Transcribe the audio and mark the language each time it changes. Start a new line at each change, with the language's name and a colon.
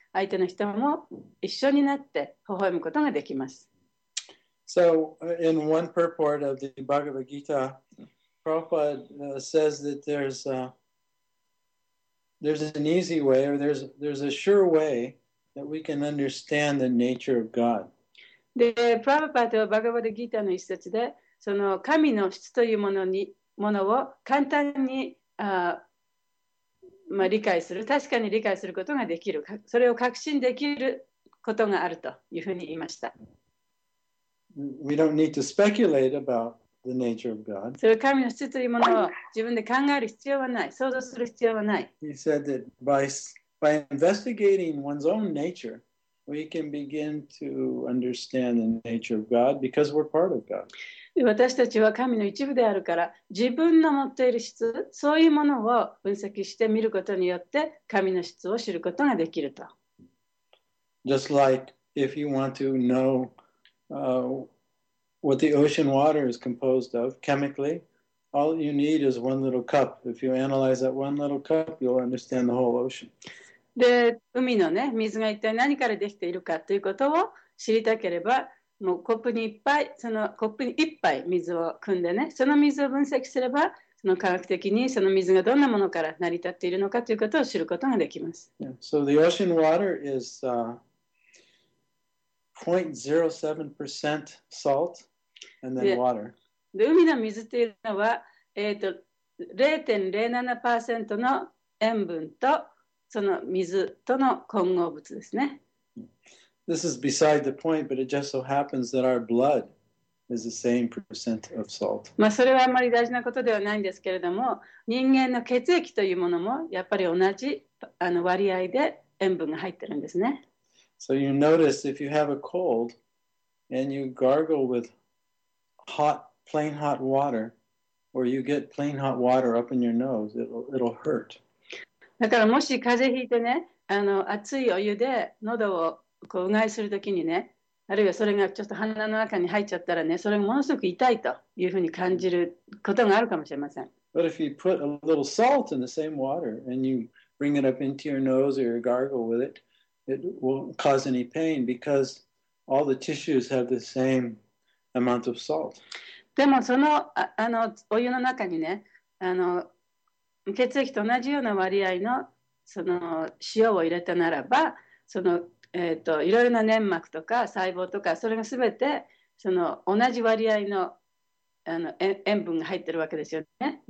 Japanese: 相手の人も一緒になって微笑むことができます。
English: So, in one purport of the Bhagavad Gita, Prabhupada says that there's an easy way, or there's a sure way that we can understand the nature of God.
Japanese: で、プラヴァパダはバガヴァダギータの一節で、その神の質というものを簡単に、まあ、理解する、確かに理解することができる、それを確信できることがあるというふうに言いました。
English: We don't need to speculate about the nature of God.
Japanese: それは神の質というものを自分で考える必要はない、想像する必要はない。
English: He said that by investigating one's own nature, we can begin to understand the nature of God because we're part of God.
Japanese: 私たちは神の一部であるから、自分の持っている質、そういうものを分析してみることによって、神の質を知ることができると。
English: Just like if you want to know what the ocean water is composed of chemically, all you need is one little cup. If you analyze that one little cup, you'll understand the whole ocean.
Japanese: で、海のね、水が一体何からできているかということを知りたければ、もうコップに一杯、そのコップに一杯水を汲んでね、その水を分析すれば、その科学的にその水がどんなものから成り立っているのかということを知ることができます。
English: Yeah. So the ocean water is 0.07% salt and then water.
Japanese: で、海の水というのは、0.07% の塩分とその水との混合物ですね。
English: This is beside the point, but it just so happens that our blood is the same percent of salt.
Japanese: まあそれはあまり大事なことではないんですけれども、人間の血液というものもやっぱり同じあの割合で塩分が入ってるんですね。
English: So you notice if you have a cold and you gargle with hot, plain hot water, or you get plain hot water up in your nose, it'll hurt.
Japanese: だからもし風邪ひいてね、あの熱いお湯で喉をこううがいするときにね、あるいはそれがちょっと鼻の中に入っちゃったらね、それがものすごく痛いというふうに感じることがあるかもしれません。
English: But if you put a little salt in the same water and you bring it up into your nose or your gargle with it, it won't cause any pain because all the tissues have the same amount of salt.
Japanese: でもその、あのお湯の中にね、あの血液と同じような割合 の, その塩を入れたならば、その、いろいろな粘膜とか細胞とか、それがすべてその同じ割合 の, あの塩分が入っているわけですよね。